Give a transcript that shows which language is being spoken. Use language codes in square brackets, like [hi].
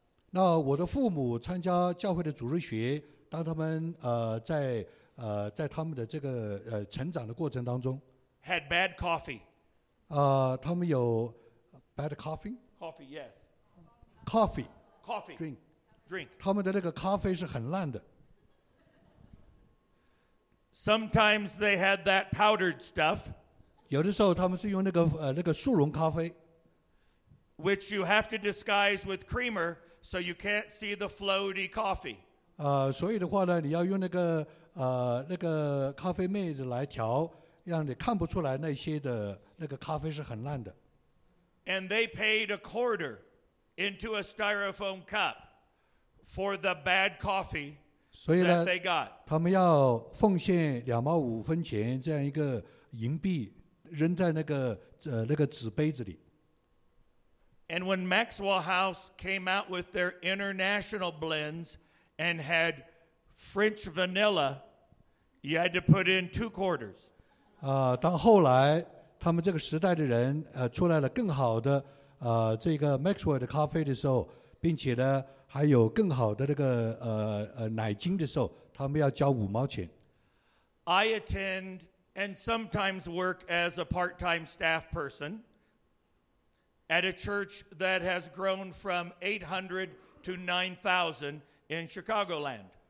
[zh] 那我的父母参加教会的主日学，当他们在他们的这个成长的过程当中 [en] ，had bad coffee. [zh] 他们有 [en] bad coffee. Coffee, yes. Coffee. Coffee. Drink. Drink. [zh] 他们的那个咖啡是很烂的。 [en] Sometimes they had that powdered stuff. [zh] 有的时候他们是用那个速溶咖啡 [en] ，which you have to disguise with creamer, so you can't see the floaty coffee. [zh] 所以的话呢，你要用那个咖啡妹的来调，让你看不出来那些的那个咖啡是很烂的。 [en] And they paid a quarter into a styrofoam cup for the bad coffee. [zh] 所以呢，他们要奉献2.5毛钱这样一个银币扔在那个纸杯子里。 [en] And when Maxwell House came out with their international blends and had French vanilla, you had to put in 2 quarters. [zh] 当后来他们这个时代的人出来了更好的这个 Maxwell 的咖啡的时候，并且呢。还有更好的那个奶精的时候，他们要交5毛钱。 [en] I attend and sometimes work as a part-time staff person at a church that has grown from 800 to 9,000 in Chicagoland.